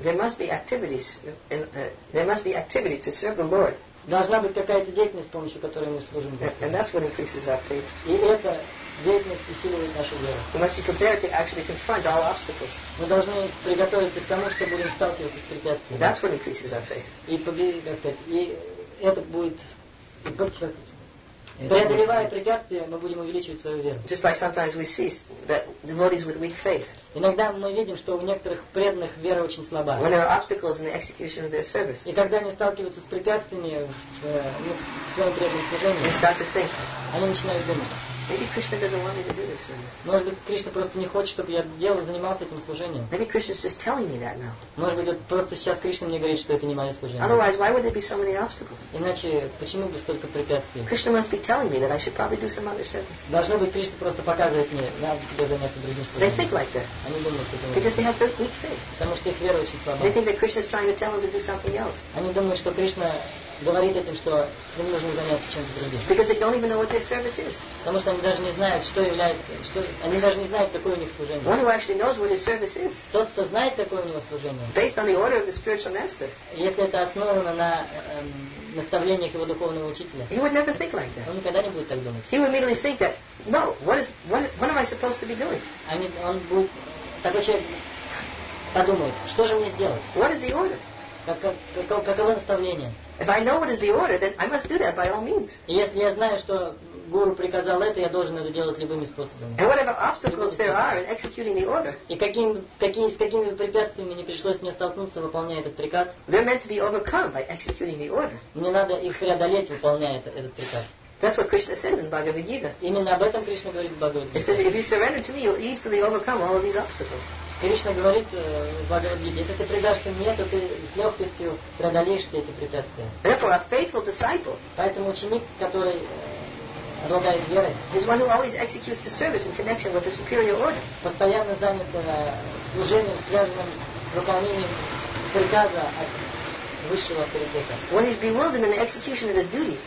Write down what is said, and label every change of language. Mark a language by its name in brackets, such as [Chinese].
[English] There must be activity to serve the Lord. [Russian] Должна быть какая-то деятельность, с помощью которой мы служим Господу. [English] And that's what increases our faith. [Russian] И это деятельность усиливает нашу веру. [English] We must be prepared to actually confront all obstacles. [Russian] Мы должны приготовиться к тому, что будем сталкиваться с препятствиями. [English] That's what increases our faith. [Russian] И это будет преодолевая препятствия, мы будем увеличивать свою веру. [English] Just like sometimes we see that devotees with weak faith. [Russian] Иногда мы видим, что у некоторых преданных вера очень слаба. [English] When there are obstacles in the execution of their service. [Russian] И когда они сталкиваются с препятствиями в своем преданном служении, [English] they start to think. [Russian] Они начинают думать. [English] Maybe Krishna doesn't want me to do this service. [Russian] Может быть, Кришна просто не хочет, чтобы я занимался этим служением. [English] Maybe Krishna's just telling me that now. [Russian] Может быть, просто сейчас Кришна мне говорит, что это не мое служение. [English] Otherwise, why would there be so many obstacles? [Russian] Иначе почему бы столько препятствий? [English] Krishna must be telling me that I should probably do some other service. [Russian] Должно быть, Кришна просто показывает мне, надо тебе заняться другим служением. [English] They think like that. [Russian] Они думают, что [English] Because they have weak faith. [Russian] Потому что их вера очень слаба. [English] They think that Krishna's trying to tell them to do something else. [Russian] Они думают, что Кришна говорит этим, что им нужно заняться чем-то другим. [English] Because they don't even know what their service is. [Russian] Потому что они даже не знают, что является, что они даже не знают, какое у них служение. [English] One who actually knows what his service is. [Russian] Тот, кто знает, какое у него служение. [English] Based on the order of the spiritual master. [Russian] Если это основано на наставлениях его духовного учителя. [English] He would never think like that. [Russian] Он никогда не будет так думать. [English] He would immediately think that, no, what am I supposed to be doing? [Russian] Он будет такой человек подумает, что же мне сделать? [English] What is the order? [Russian] Каково наставление? [English] If I know what is the order, then I must do that by all means. [Russian] И если я знаю, что гуру приказал это, я должен это делать любыми способами. [English] And whatever obstacles there are in executing the order. [Russian] И с какими препятствиями не пришлось мне столкнуться, выполняя этот приказ. [English] They're meant to be overcome by executing the order. [Russian] Мне надо их преодолеть, выполняя этот приказ. [English] That's what Krishna says in Bhagavad Gita. [Russian] Именно об этом Кришна говорит в Бхагавад Гите. [English] He says, if you surrender to me, you'll easily overcome all of these obstacles. [Russian] Кришна говорит в Бхагавад Гите, если ты предашься мне, то ты с легкостью преодолеешь все эти препятствия. [English] Therefore, a faithful disciple. [Russian] Поэтому ученик, который обладает верой, [English] is one who always executes the service in connection with the superior order. [Russian] Постоянно занят служением, связанным с выполнением приказа от высшего авторитета. [English] When he's bewildered in the execution of his duty.